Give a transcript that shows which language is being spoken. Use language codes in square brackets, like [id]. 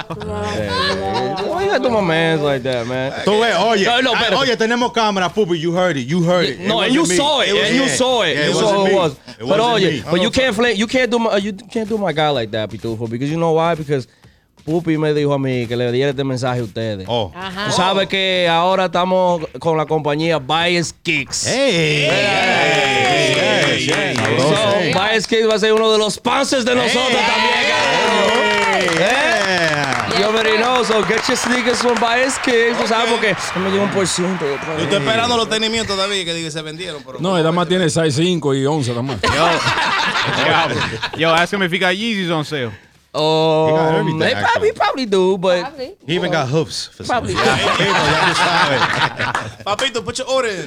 [es] Diablo. [en] Why you got my mans like that, man? So, wait, [es] oye. No, pero, oye, tenemos cámara, Pupi. [en] You heard it. No, and you saw it. And you saw it. You saw who it was. But, oye, but you can't do my guy like that, Pitufo, because you know why? [es] Because Pupi me dijo a mí que le diera este mensaje a ustedes. Oh. Uh-huh. Tú sabes que ahora estamos con la compañía Bias Kicks. Hey. Bias Kicks va a ser uno de los sponsors de nosotros también. [en] You already know, so get your sneakers from Bias Kicks. [es] Okay. ¿Sabes por qué? Me llevo un por ciento. Yo estoy esperando los tenis míos todavía que diga se vendieron. Pero no, nada más tiene 6, 5 y 11, nada más. [en] Yo, ask him if he got Yeezys on sale. They probably do, but probably. He even got hoops for probably. Papito, put your order in.